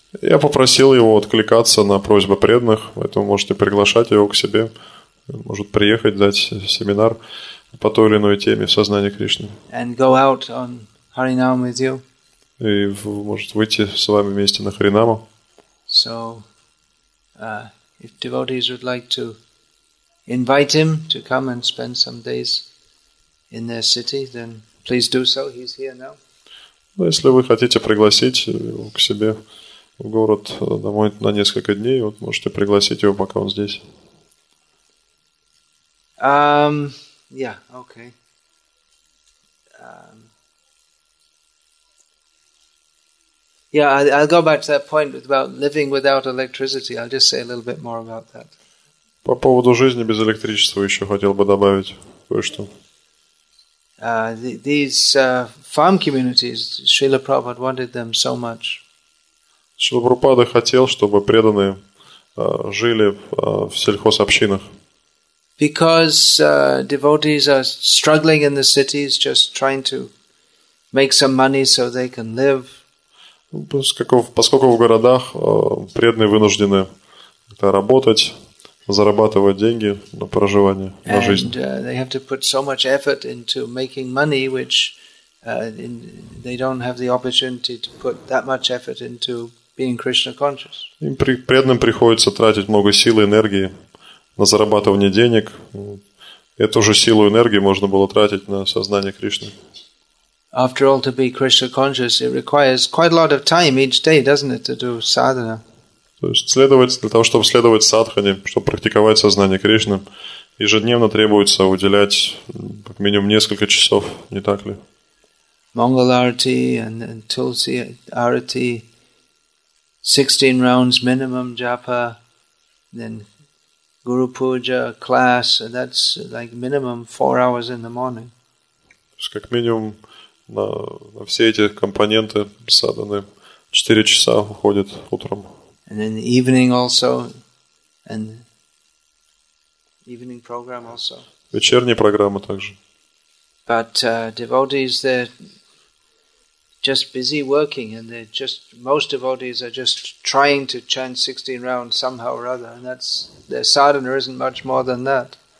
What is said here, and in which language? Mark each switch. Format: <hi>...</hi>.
<ru>Я попросил его откликаться на просьбы преданных, поэтому можете приглашать его к себе. Он может приехать, дать семинар по той или иной теме в сознании Кришны.</ru> <en>And go out on Харинам with you.</en> <ru>И может выйти с вами вместе на Харинаму.</ru> <en>So, if devotees would like to invite him to come and spend some days in their city, then please do so. He's here now.</en> <ru>Ну, если вы хотите пригласить его к себе в город домой на несколько дней, вот можете пригласить его, пока он здесь.</ru> <en>Okay. I'll go back to that point about living without electricity. I'll just say a little bit more about that.</en> <ru>По поводу жизни без электричества еще хотел бы добавить кое-что.</ru> <en>These farm communities, Srila Prabhupada wanted them so much.</en> <ru>Srila Prabhupada хотел, чтобы преданные жили в сельхозобщинах.</ru> <en>Because devotees are struggling in the cities, just trying to make some money so they can live.</en> <ru>Поскольку в городах преданные вынуждены работать, зарабатывать деньги на проживание, на жизнь.</ru> <en>They have to put so much effort into making money, which they don't have the opportunity to put that much effort into being Krishna conscious.</en> <ru>Им преданным приходится тратить много сил и энергии на зарабатывание денег. Эту же силу и энергию можно было тратить на сознание Кришны.</ru> <en>After all, to be Krishna conscious, it requires quite a lot of time each day, doesn't it, to do sadhana?</en> <ru>То есть следовать для того, чтобы следовать садхане, чтобы практиковать сознание Кришны, ежедневно требуется уделять как минимум несколько часов, не так ли?</ru> <en>Mangal arati and tulsi arati, 16 rounds minimum japa, then guru puja class, and that's like minimum 4 hours in the morning.</en> <ru>То есть как минимум на все эти компоненты садханы 4 часа уходит утром.</ru> <en>And then the evening also, and evening program also.</en> <ru>Вечерняя программа также.</ru> <en>But devotees, they're just busy working, and they're just, most devotees are just trying to chant 16 rounds somehow or other, and that's, their sadhana isn't much more than that.</en>